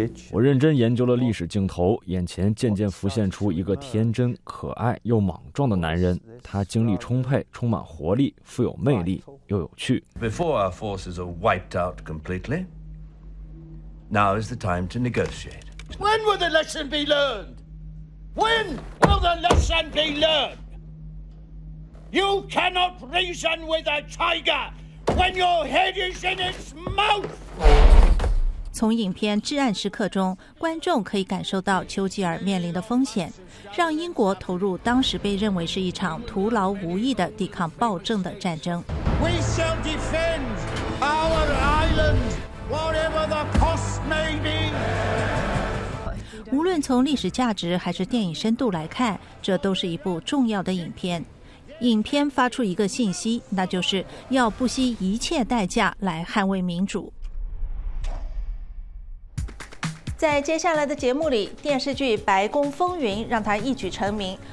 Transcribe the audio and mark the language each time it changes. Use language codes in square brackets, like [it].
[zh] 我认真研究了历史镜头，眼前渐渐浮现出一个天真、可爱又莽撞的男人。他精力充沛，充满活力，富有魅力又有趣。 [en] Before our forces are wiped out completely, now is the time to negotiate. When will the lesson be learned? When will the lesson be learned? You cannot reason with a tiger when your head is in its mouth. [zh] 从影片至暗时刻中，观众可以感受到丘吉尔面临的风险，让英国投入当时被认为是一场徒劳无益的抵抗暴政的战争。 [en] We shall defend our island, whatever the cost may be. [zh] 无论从历史价值还是电影深度来看，这都是一部重要的影片。影片发出一个信息，那就是要不惜一切代价来捍卫民主。在接下来的节目里，电视剧《白宫风云》让他一举成名。